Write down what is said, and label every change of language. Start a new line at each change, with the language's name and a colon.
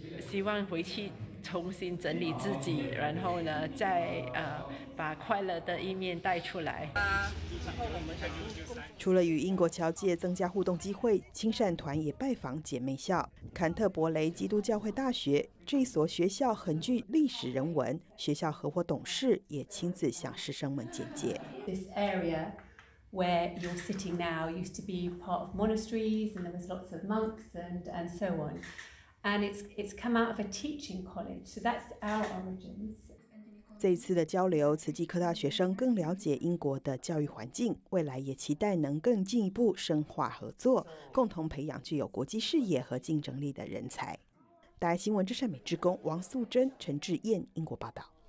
Chinese: 希望回去重新整理自己，然后呢再把快乐的一面带出来。除了与英国侨界增加互动机会，亲善团也拜访姐妹校坎特伯雷基督教会大学。这所学校很具历史人文，学校合伙董事也亲自向师生们简介。
English: This area where you're sitting now used to be part of monasteries and there was lots of monks and so on. And it's come out of a teaching college, so that's our origins.
Chinese: 这次的交流，慈济科大学生更了解英国的教育环境，未来也期待能更进一步深化合作，共同培养具有国际视野和竞争力的人才。大爱新闻之善美之工王素珍、陈志燕，英国报道。